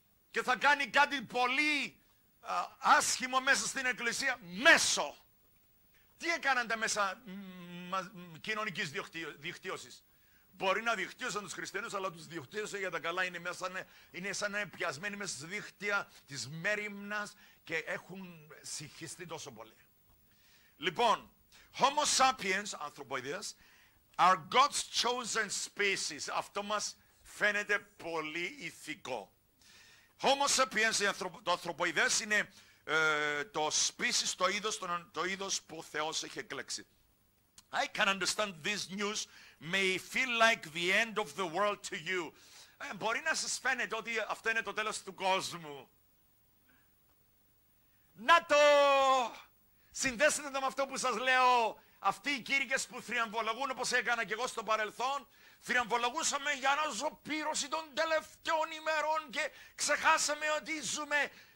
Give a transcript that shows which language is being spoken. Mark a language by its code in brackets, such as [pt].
[el] Και θα κάνει κάτι πολύ άσχημο μέσα στην εκκλησία. Μέσο. Τι έκαναν τα μέσα κοινωνικής διοκτύωσης. Μπορεί να διοκτύωσαν τους χριστιανούς, αλλά τους διοκτύωσαν για τα καλά. Είναι, μέσα, είναι σαν να είναι πιασμένοι μέσα στη δίχτυα της μέρημνας και έχουν συγχυστεί τόσο πολύ. Λοιπόν, Homo sapiens, ανθρωποειδές, are God's chosen species. Αυτό μας φαίνεται πολύ ηθικό. Homo sapiens, το ανθρωποειδές, είναι το species, το είδος, το είδος που ο Θεός έχει εκλέξει. [en] I can understand this news may feel like the end of the world to you. [el] Μπορεί να σας φαίνεται ότι αυτό είναι το τέλος του κόσμου. Να το! Συνδέστε το με αυτό που σας λέω. Αυτοί οι κήρυκες που θριαμβολογούν, όπως έκανα και εγώ στο παρελθόν, θριαμβολογούσαμε για να ζωπήρωση των τελευταίων ημερών και ξεχάσαμε ότι ζούμε.